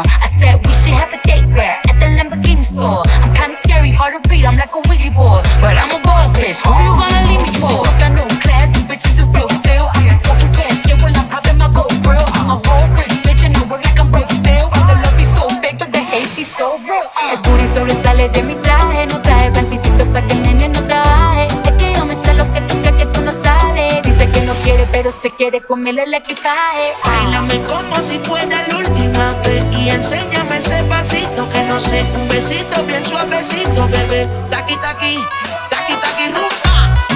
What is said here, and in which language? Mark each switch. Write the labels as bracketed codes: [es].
[en] I said we should have a date where at the Lamborghini store. I'm kinda scary, hard to beat. I'm like a Ouija board, but I'm a boss bitch. Who you gonna leave me for? Got no class, you bitches is broke still. I been talking cash shit while I'm popping my gold grill. I'm a whole rich bitch and I work like I'm broke still. But the love be so fake, but the hate be so real. [es] El booty sobresale de mi traje. No traje panticito pa' que el nene no trabaje. Es que yo me sé lo que tú crees que tú no sabes. Dice que no quiere, pero se quiere comerle el equipaje. Báilame como si fuera la última vez y enséñame ese pasito que no sé. Un besito bien suavecito, bebé. Taqui, taqui, taqui, taqui, rumba.